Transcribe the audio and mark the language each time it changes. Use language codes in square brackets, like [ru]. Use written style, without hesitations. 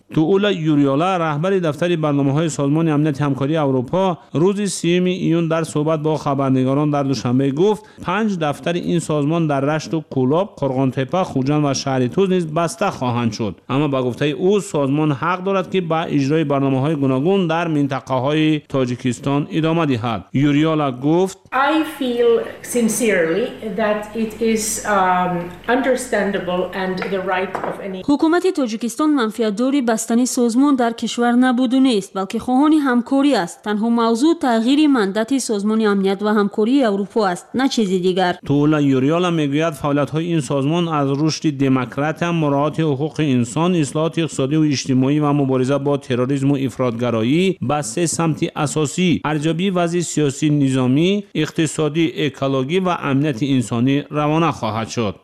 [fa] تولا یوریولا رهبر دفتر برنامه‌های سازمان امنیت همکاری اروپا روز 3 ژوئن در صحبت با خبرنگاران در دوشنبه گفت 5 دفتر این سازمان در رشت و کولاب، قرغان‌تپه، خوجند و شهرتوز نیز بسته خواهند شد. اما با گفته او سازمان حق دارد که به اجرای برنامه‌های گوناگون در منطقه‌های تاجیکستان ادامه دهد. یوریولا گفت: [en] I feel sincerely that it is understandable and the right of any [fa] حکومت تاجیکستان منفعت داری بستنی سازمان در کشور نبود و نیست، بلکه خواهان همکاری است. تنها موضوع تغییر مندت سازمان امنیت و همکاری اروپا است، نه چیز دیگر. تولا یوریولا میگوید فعالیت های این سازمان از رشد دموکرات، مراعات حقوق انسان، اصلاحات اقتصادی و اجتماعی و مبارزه با تروریسم و افرادگرایی به 3 سمت اساسی ارزیابی وضع سیاسی، نظامی، اقتصادی، اکولوژی و امنیت انسانی روانه خواهد شد.